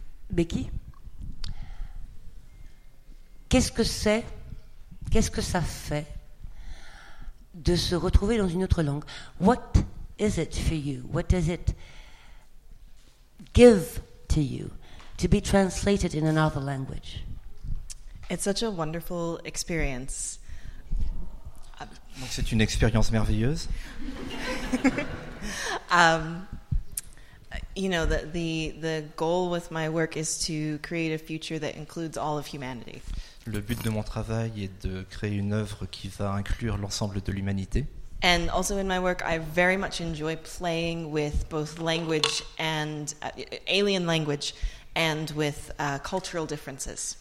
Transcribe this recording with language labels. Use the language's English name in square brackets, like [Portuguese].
[French] Becky, qu'est-ce que c'est, qu'est-ce que ça fait de se retrouver dans une autre langue? [English] What is it for you? What does it give to you to be translated in another language? It's such a wonderful experience. [French] Donc c'est une expérience merveilleuse. [English] You know, the goal with my work is to create a future that includes all of humanity. [French] Le but de mon travail est de créer une œuvre qui va inclure l'ensemble de l'humanité. [English] And also in my work, I very much enjoy playing with both language and alien language and with cultural differences.